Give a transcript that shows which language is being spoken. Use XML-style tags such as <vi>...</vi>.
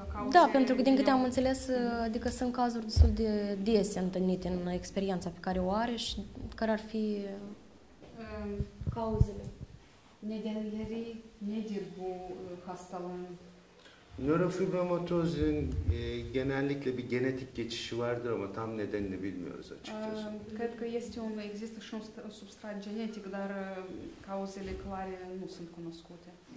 <ro>Da, pentru că din câte am înțeles, adică sunt cazuri destul de dese întâlnite în experiența pe care o are și care ar fi cauzele.</ro> <tr>Nedenleri nedir bu hastalığın? Nörofibromatozun genellikle bir genetik geçişi vardır ama tam nedenini bilmiyoruz açıkçası.</tr> <ro>Cred că este un există și un substrat genetic, dar cauzele clare nu sunt cunoscute.</ro>